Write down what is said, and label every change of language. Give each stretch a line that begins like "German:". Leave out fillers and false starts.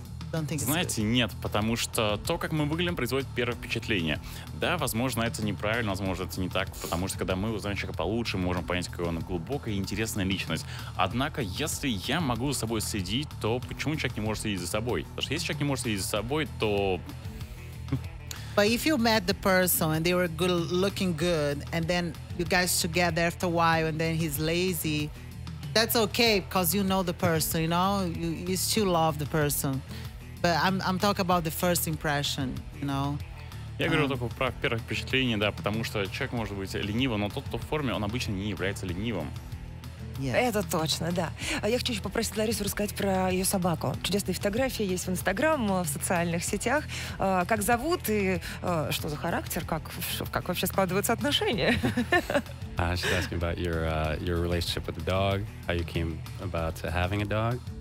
Russian: Знаете, нет, потому что то, как мы выглядим, производит первое впечатление. Да, возможно, это неправильно, возможно, это не так, потому что когда мы узнаем человека получше, мы можем понять, какая он глубокая и интересная личность. Однако, если я могу за собой следить, то почему человек не может следить за собой? Потому что если человек не может следить за собой, то...
English: But if you met the person and they were good, looking good, and then you guys together after a while, and then he's lazy... That's okay, because you know the person, you know? You still love the person. But I'm talking about the first impression, you know?
Russian: Я говорю только про первое впечатление, да, потому что человек может быть ленивым, но тот, кто в форме, он обычно не является ленивым.
English: Yes.
Russian: Это точно, да. Я хочу еще попросить Ларису рассказать про ее собаку. Чудесные фотографии есть в Инстаграм, в социальных сетях. Как зовут и что за характер? Как вообще складываются отношения?
English: She's asking about your relationship with the dog, how you came about to having a dog.